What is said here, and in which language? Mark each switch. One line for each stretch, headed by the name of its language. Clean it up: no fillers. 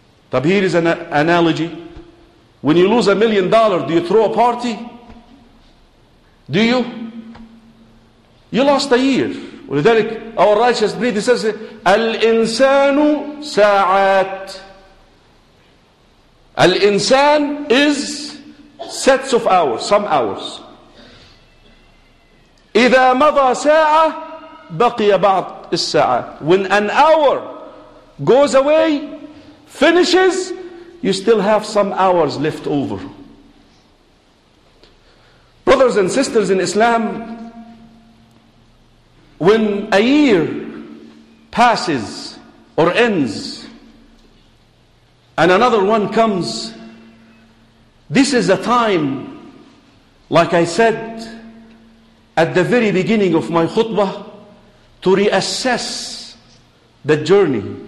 English: But here is an analogy. When you lose $1 million, do you throw a party? Do you? You lost a year.
Arabic: ولذلك
English: our righteous breed says
Arabic: الإنسان ساعات.
English: الإنسان is sets of hours, some hours.
Arabic: إذا مضى ساعة بقي بعض الساعة.
English: When an hour goes away, finishes, you still have some hours left over. Brothers and sisters in Islam, when a year passes or ends and another one comes, this is a time, like I said at the very beginning of my khutbah, to reassess the journey.